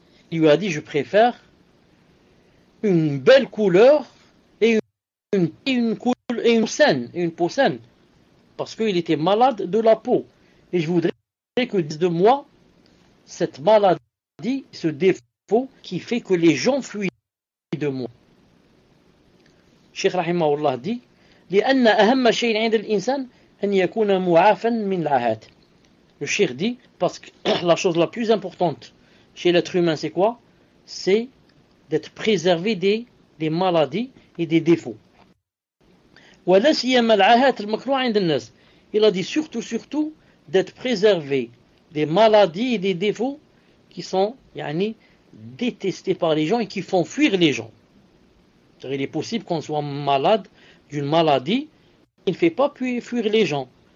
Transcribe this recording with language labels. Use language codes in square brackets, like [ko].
[fr] Il lui a dit, je préfère une belle couleur et une peau saine. Parce qu'il était malade de la peau. Et je voudrais que de moi, cette maladie, ce défaut qui fait que les gens fuient de moi. Cheikh Rahimahullah dit, [ar] لأن أهم شيء عند الإنسان أن يكون معافا من العاهات. [fr] Le cheikh dit, parce que la chose la plus importante chez l'être humain, c'est quoi? C'est d'être préservé des maladies et des défauts. [ar] ولا سيما العاهات المكروه عند الناس. [fr] Il a dit surtout d'être préservé des maladies et des défauts qui sont يعني, détestés par les gens et qui font fuir les gens. Car il est possible qu'on soit malade d'une maladie qui ne fait pas fuir les gens.